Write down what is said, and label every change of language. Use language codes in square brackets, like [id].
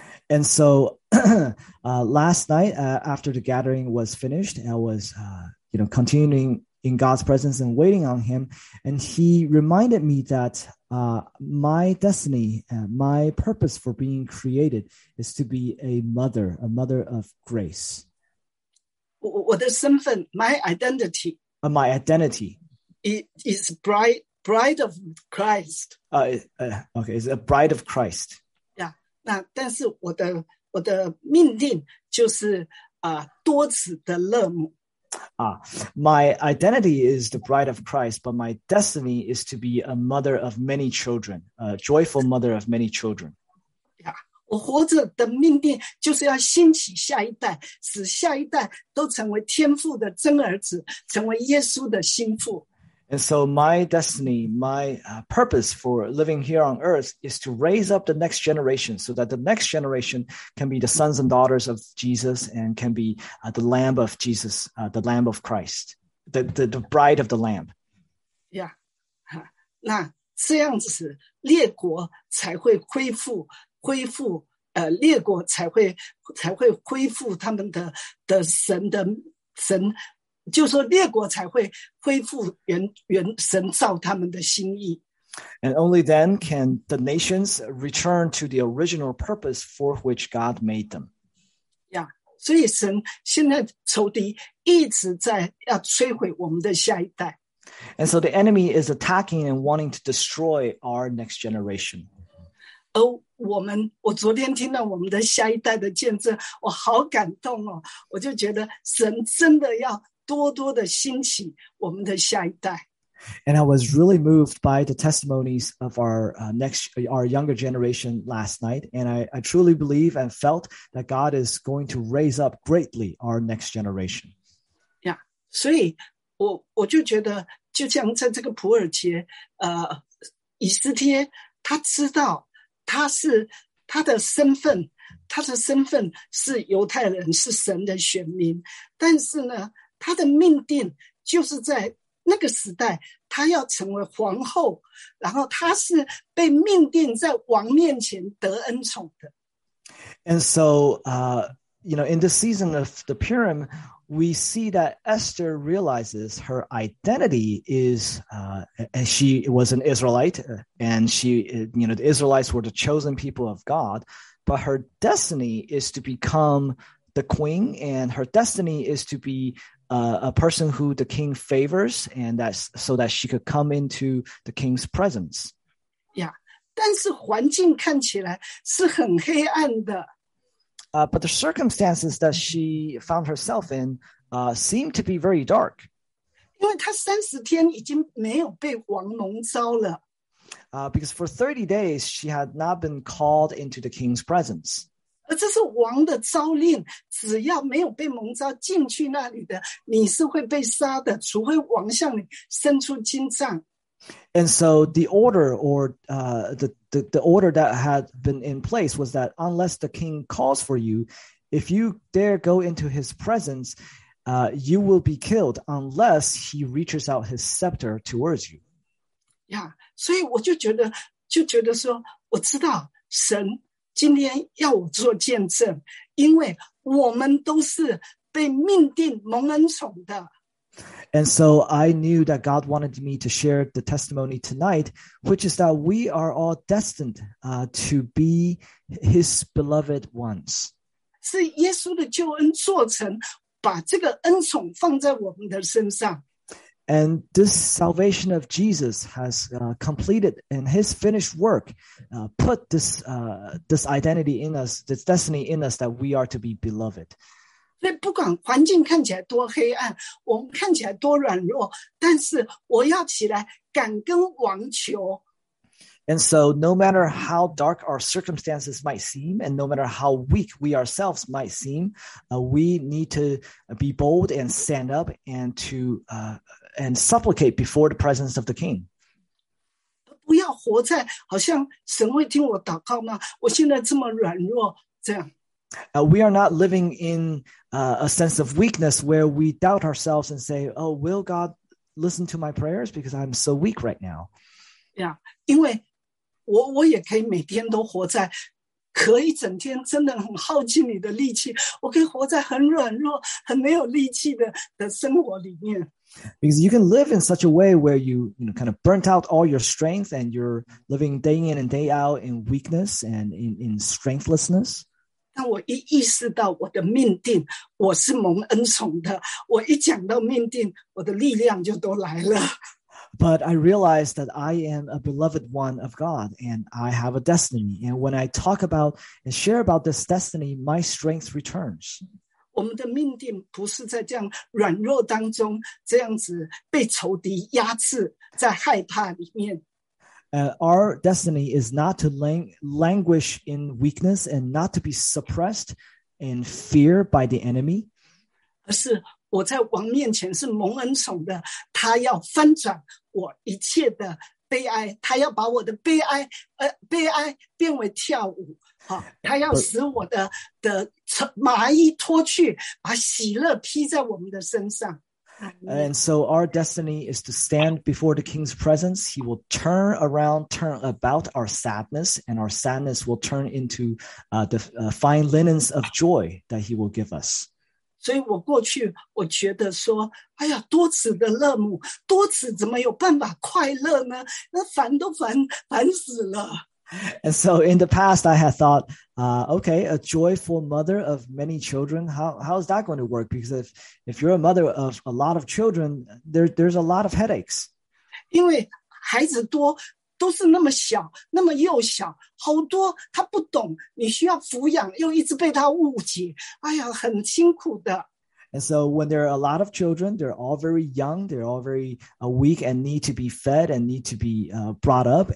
[en] And so last night after the gathering was finished, I was continuing in God's presence and waiting on him. And he reminded me that my destiny, my purpose for being created is to be a mother of grace. [zh] 我的身份, [en] my identity. My identity. It is bride of Christ. It's a bride of Christ. [zh] 那但是我的命定就是多子的乐母。 [en] My identity is the bride of Christ, but my destiny is to be a mother of many children, a joyful mother of many children. Yeah, [zh] 我活着的命定就是要兴起下一代，使下一代都成为天父的真儿子，成为耶稣的心腹。 [en] And so my destiny, my purpose for living here on earth is to raise up the next generation so that the next generation can be the sons and daughters of Jesus and can be the Lamb of Jesus, the Lamb of Christ, the bride of the Lamb. Yeah. [zh] 那这样子是列国才会恢复列国才会恢复他们的神的神。就说列国才会恢复原神造他们的心意。 [en] And only then can the nations return to the original purpose for which God made them. Yeah, [zh] 所以神现在仇敌一直在要摧毁我们的下一代。 [en] And so the enemy is attacking and wanting to destroy our next generation. [zh] 而我昨天听到我们的下一代的见证，我好感动哦！我就觉得神真的要多多的兴起我们的下一代。 [en] And I was really moved by the testimonies of our younger generation last night. And I truly believe and felt that God is going to raise up greatly our next generation. Yeah, [zh] 所以我就觉得就像在这个普尔节，以斯帖他知道他的身份他的身份是犹太人，是神的选民，但是呢，他的命定就是在那个时代他要成为皇后，然后他是被命定在王面前得恩宠的。 [en] And so, you know, in the season of the Purim, we see that Esther realizes her identity is, she was an Israelite, and she, you know, the Israelites were the chosen people of God, but her destiny is to become the queen, and her destiny is to be a person who the king favors, and that's so that she could come into the king's presence. Yeah, [zh] 但是环境看起来是很黑暗的。 [en] But the circumstances that she found herself in seemed to be very dark. [zh] 因为她30天已经没有被王蒙召了。 [en] Because for 30 days, she had not been called into the king's presence. [zh] 而这是王的召令，只要没有被蒙召进去那里的，你是会被杀的，除非王向你伸出金杖。 [en] And so the order or the order that had been in place was that unless the king calls for you, if you dare go into his presence, you will be killed unless he reaches out his scepter towards you. Yeah, [zh] 所以我就觉得说，我知道神今天要我做见证，因为我们都是被命定蒙恩宠的。 [en] And so I knew that God wanted me to share the testimony tonight, which is that we are all destined to be his beloved ones. [zh] 是耶稣的救恩做成，把这个恩宠放在我们的身上。 [en] And this salvation of Jesus has completed, and his finished work put this, this identity in us, this destiny in us that we are to be beloved. [zh] 所以不管环境看起来多黑暗，我们看起来多软弱，但是我要起来敢跟王求。 [en] And so no matter how dark our circumstances might seem, and no matter how weak we ourselves might seem, we need to be bold and stand up and to and supplicate before the presence of the king. [zh] 不要活在好像神会听我祷告吗？我现在这么软弱，这样。 [en] We are not living in a sense of weakness where we doubt ourselves and say, oh, will God listen to my prayers because I'm so weak right now? Yeah, [zh] 因为我也可以每天都活在，可以整天真的很耗尽你的力气，我可以活在很软弱，很没有力气的生活里面。 [en] Because you can live in such a way where you, you know, kind of burnt out all your strength and you're living day in and day out in weakness and in strengthlessness. [zh] 但我一意识到我的命定，我是蒙恩宠的，我一讲到命定，我的力量就都来了。 [en] But I realize that I am a beloved one of God and I have a destiny. And when I talk about and share about this destiny, my strength returns. [zh] 我们的命定不是在这样软弱当中，这样子被仇敌压制，在害怕里面。 [en] Our destiny is not to languish in weakness and not to be suppressed in fear by the enemy. [zh] 而是我在王面前是蒙恩宠的，他要翻转我一切的悲哀，他要把我的悲哀变为跳舞，他要使我 的麻衣脱去，把喜乐披在我们的身上。 [en] And so our destiny is to stand before the king's presence. He will turn around, turn about our sadness, and our sadness will turn into the fine linens of joy that he will give us. [zh] 所以我过去我觉得说，哎呀，多子的乐母，多子怎么有办法快乐呢？那烦都烦死了。 [en] And so in the past, I had thought, okay, a joyful mother of many children, how is that going to work? Because if you're a mother of a lot of children, there's a lot of headaches. [zh] 因为孩子多，都是那么小，那么幼小，好多他不懂，你需要抚养，又一直被他误解，哎呀，很辛苦的。 [en] And so when there are a lot of children, they're all very young, they're all very weak and need to be fed and need to be brought up.